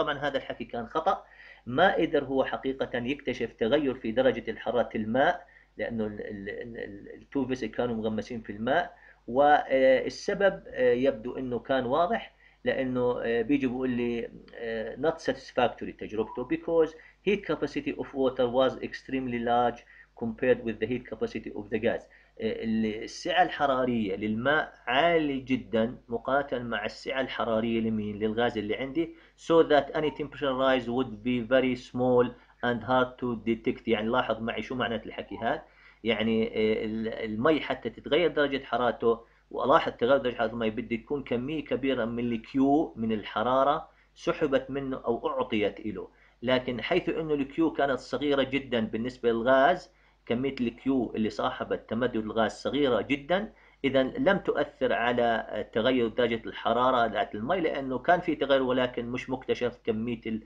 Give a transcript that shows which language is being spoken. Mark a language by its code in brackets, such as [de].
[ar] طبعا هذا الحكي كان خطا، ما قدر هو حقيقه يكتشف تغير في درجه حراره الماء لانه التو فيسل كانوا مغمسين في الماء، والسبب يبدو انه كان واضح لانه بيجي بيقول لي [en] not satisfactory [ar] تجربته [en] because heat capacity of water was extremely large compared with the heat capacity of the gas. [ar] السعة الحرارية للماء عالي جدا مقارنة مع السعة الحرارية لمين؟ للغاز اللي عندي. [en] So that any temperature rise would be very small and hard to detect. [ar] يعني لاحظ معي شو معنات الحكي هذا؟ يعني المي حتى تتغير درجة حرارته والاحظ تغير درجة حرارة المي بده يكون كمية كبيرة من الكيو من الحرارة سحبت منه او اعطيت له، لكن حيث انه الكيو كانت صغيرة جدا بالنسبة للغاز، كمية الكيو اللي صاحبت تمدد الغاز صغيرة جدا، اذا لم تؤثر على تغير درجة الحرارة ذات المي، لانه كان في تغير ولكن مش مكتشف، كمية